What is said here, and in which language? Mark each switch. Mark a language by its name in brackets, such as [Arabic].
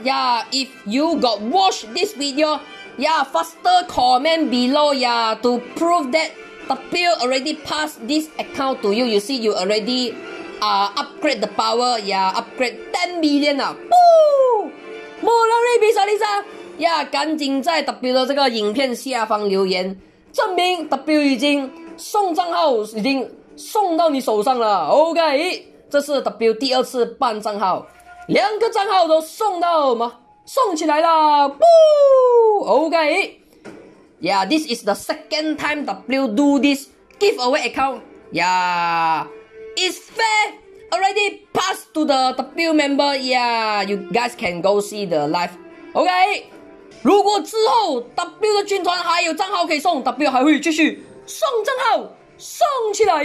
[English] Yeah, if you got watch this video, yeah, faster comment below, yeah, to prove that W already passed this account to you. You see, you already, upgrade the power, yeah, upgrade 10 million now. Woo! Morari Bisalija! [Chinese] 呀、yeah, 赶紧在 W 的这个影片下方留言，证明 W 已经送账号已经送到你手上了。 OK， 这是 W 第二次办账号，两个账号都送到吗？送起来了。Boo! [English] OK， Yeah， this is the second time W do this giveaway account. Yeah， it's fair already passed to the W member. Yeah， you guys can go see the live. [Chinese] OK，如果之后 W 的军团还有账号可以送 ，W 还会继续送账号送起来。